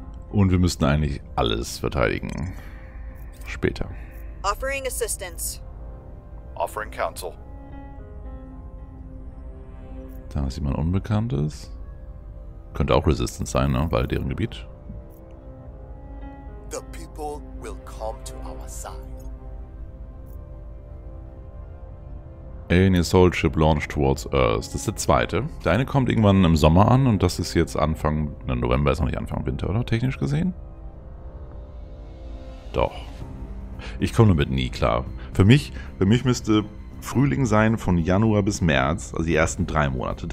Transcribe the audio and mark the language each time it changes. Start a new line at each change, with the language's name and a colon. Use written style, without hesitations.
German: Und wir müssten eigentlich alles verteidigen. Später.
English: Offering assistance. Offering counsel.
German: Da ist jemand Unbekanntes. Könnte auch Resistance sein, ne? Weil deren Gebiet.
English: The people will come to our side. Alien Assault Ship launched towards Earth.
German: Das ist der zweite. Der eine kommt irgendwann im Sommer an und das ist jetzt Anfang. Ne, November ist noch nicht Anfang Winter, oder? Technisch gesehen? Doch. Ich komme damit nie klar. Für mich müsste Frühling sein von Januar bis März, also die ersten 3 Monate.